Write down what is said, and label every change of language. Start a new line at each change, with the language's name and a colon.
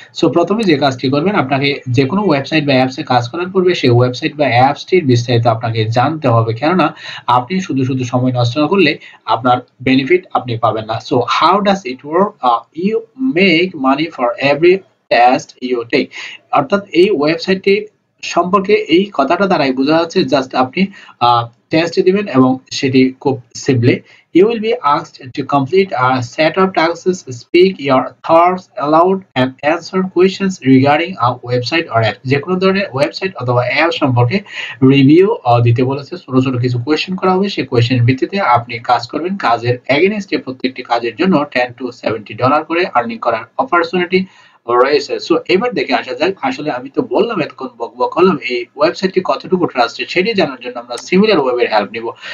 Bangla: So প্রথমে যে কাজটি করবেন, আপনাকে যে কোনো ওয়েবসাইট বা অ্যাপসে কাজ করার পূর্বে সেই ওয়েবসাইট বা অ্যাপসটির বিস্তারিত আপনাকে জানতে হবে, কেননা আপনি শুধু শুধু সময় নষ্ট না করলে আপনার বেনিফিট আপনি পাবেন না।
English: so how does it work, you make money for every test you take,
Bangla: অর্থাৎ এই ওয়েবসাইটটি সম্পর্কে এই কথাটা দ্বারাই বোঝা যাচ্ছে, জাস্ট আপনি টেস্ট দিবেন এবং সেটি খুব simply.
English: You will be asked to complete a set of tasks, speak your thoughts aloud and answer questions regarding a website or app.
Bangla: যে কোনো ধরনের ওয়েবসাইট অথবা অ্যাপ সম্পর্কে রিভিউ দিতে বলেছে, ছোট ছোট কিছু কোয়েশ্চেন করা হবে, সেই কোয়েশ্চেনের ভিত্তিতে আপনি কাজ করবেন। কাজের অ্যাগেনিস্টে প্রত্যেকটি কাজের জন্য $10 to $70 করে আর্নিং করার অপরচুনিটি রয়েছে। সো এবার দেখে আসা যাক, আসলে আমি তো বললাম এতক্ষণ বকবক করলাম এই ওয়েবসাইটটি কতটুকু ট্রাস্টেড সেটি জানার জন্য আমরা সিমিলার ওয়েবের হেল্প নিব।